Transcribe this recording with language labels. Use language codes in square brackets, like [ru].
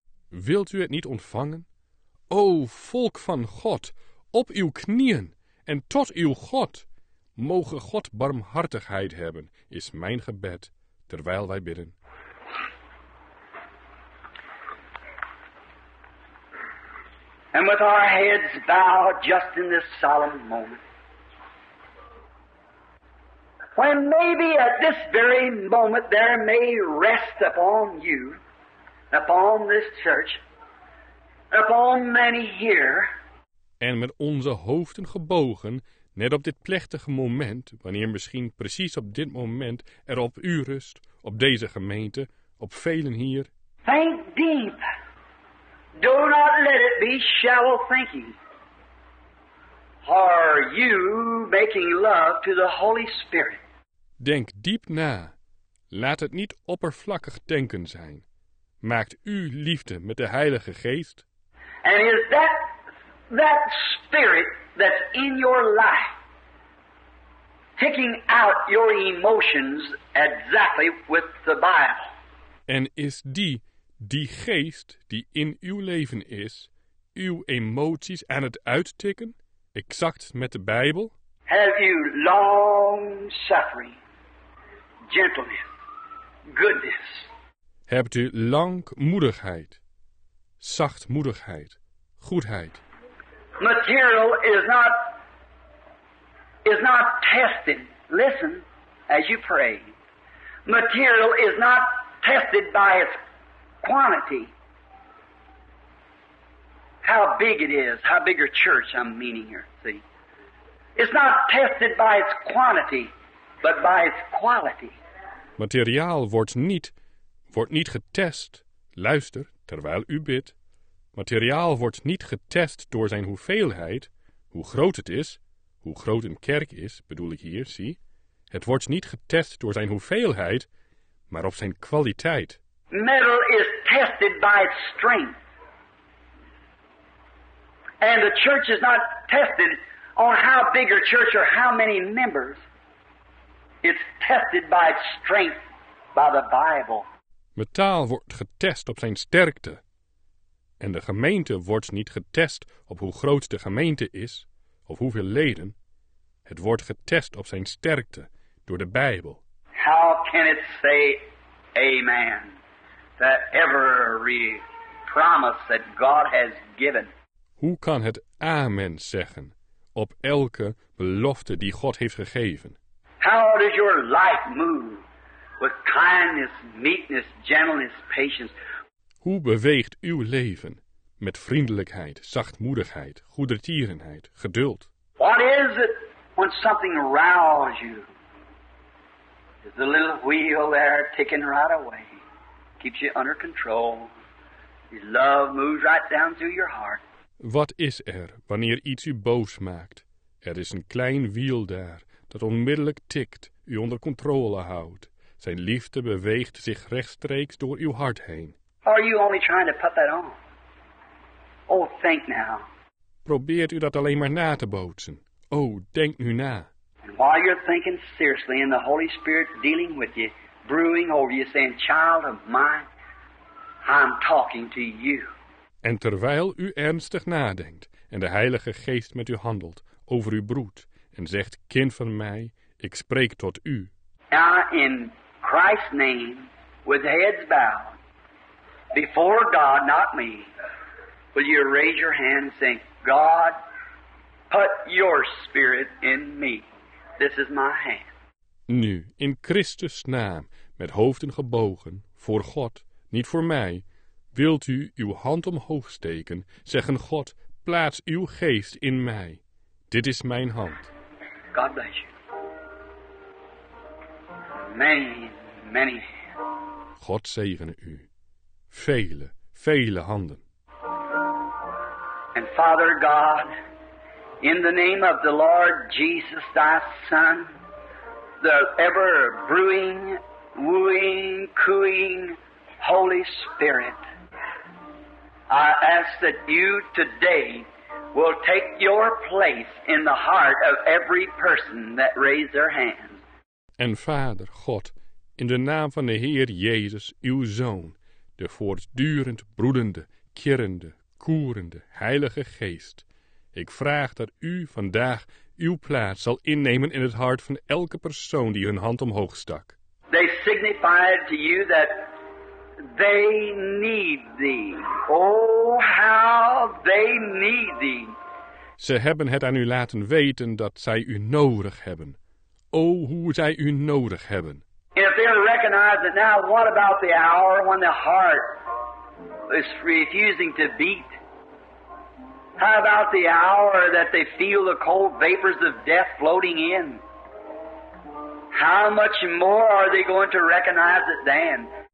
[nl] Wilt u het niet ontvangen? O volk van God, op uw knieën! En tot uw God, moge God barmhartigheid hebben, is mijn gebed, terwijl wij bidden. [en] And with our heads bowed just in this solemn moment, when maybe at this very moment there may rest upon you, upon this church, upon many here, [nl] en met onze hoofden gebogen, net op dit plechtige moment, wanneer misschien precies op dit moment er op u rust, op deze gemeente, op velen hier. [en] Think deep. Do not let it be shallow thinking. Are you making love to the Holy Spirit? [nl] Denk diep na. Laat het niet oppervlakkig denken zijn. Maakt u liefde met de Heilige Geest? [en] And is that that spirit that's in your life picking out your emotions exactly with the Bible? [nl] En is die geest die in uw leven is, uw emoties aan het uittikken, exact met de Bijbel? [en] Have you long suffering, gentleness, goodness? [nl] Hebt u langmoedigheid, zachtmoedigheid, goedheid? [en] Material is not tested. Listen, as you pray. Material is not tested by its quantity. How big it is, how big a church I'm meaning here, see. It's not tested by its quantity, but by its quality. [nl] Materiaal wordt niet getest, luister, terwijl u bidt. Materiaal wordt niet getest door zijn hoeveelheid, hoe groot het is, hoe groot een kerk is, bedoel ik hier, zie. Het wordt niet getest door zijn hoeveelheid, maar op zijn kwaliteit. [en] Metal is tested by its strength. And the church is not tested on how big a church or how many members. It's tested by its strength by the Bible. [nl] Metaal wordt getest op zijn sterkte. En de gemeente wordt niet getest op hoe groot de gemeente is, of hoeveel leden. Het wordt getest op zijn sterkte door de Bijbel. [en] How can it say amen to every promise that God has given? [nl] Hoe kan het amen zeggen op elke belofte die God heeft gegeven? [en] How does your life move with kindness, meekness, gentleness, patience? [nl] Hoe beweegt uw leven met vriendelijkheid, zachtmoedigheid, goedertierenheid, geduld? [en] What is it when something rouses you? Is the little wheel there ticking right away? Keeps you under control. His love moves right down through your heart. [nl] Wat is er wanneer iets u boos maakt? Er is een klein wiel daar dat onmiddellijk tikt, u onder controle houdt. Zijn liefde beweegt zich rechtstreeks door uw hart heen. [en] Are you only trying to put that on? Oh, think now. [nl] Probeert u dat alleen maar na te bootsen. Oh, denk nu na. [en] And while you're thinking seriously and the Holy Spirit dealing with you, brewing over you, saying, child of mine, I'm talking to you. [nl] En terwijl u ernstig nadenkt en de Heilige Geest met u handelt, over uw broed, en zegt, kind van mij, ik spreek tot u. [en] Now in Christ's name, with heads bowed, before God, not me, will you raise your hand and say, God, put your spirit in me. This is my hand. [nl] Nu, in Christus' naam, met hoofden gebogen, voor God, niet voor mij, wilt u uw hand omhoog steken, zeggen, God, plaats uw geest in mij. Dit is mijn hand. [en] God bless you. Many, many hands. [nl] God zegene u. Vele, vele handen. [en] And Father God, in the name of the Lord Jesus, thy Son, the ever brewing, wooing, cooing Holy Spirit, I ask that you today will take your place in the heart of every person that raised their hand. [nl] En Vader God, in de naam van de Heer Jezus, uw Zoon, de voortdurend broedende, kerende, koerende, Heilige Geest, ik vraag dat u vandaag uw plaats zal innemen in het hart van elke persoon die hun hand omhoog stak. [en] They signified to you that they need thee. Oh, how they need thee. [nl] Ze hebben het aan u laten weten dat zij u nodig hebben. O, hoe zij u nodig hebben. [en] If they recognize it now, what about the hour when the heart is refusing to beat? How about the hour that they feel the cold vapors of death floating in? How much more are they going to recognize it then?